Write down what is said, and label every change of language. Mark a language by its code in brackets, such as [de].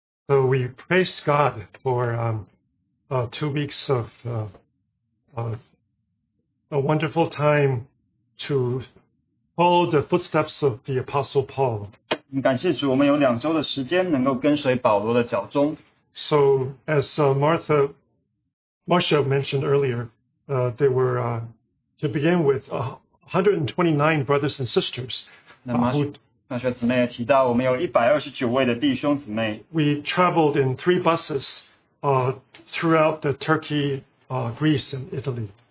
[en] So we praised God for 2 weeks of a wonderful time to follow the footsteps of the Apostle Paul. [zh] 感谢主, 我们有两周的时间, 能够跟随保罗的脚踪。 [en] So as Marcia mentioned earlier, there were, to begin with, 129 brothers and sisters. [zh] 那马雪姊妹也提到我们有129位的弟兄姊妹。 [en] We traveled in three buses throughout the Turkey, Greece, and Italy.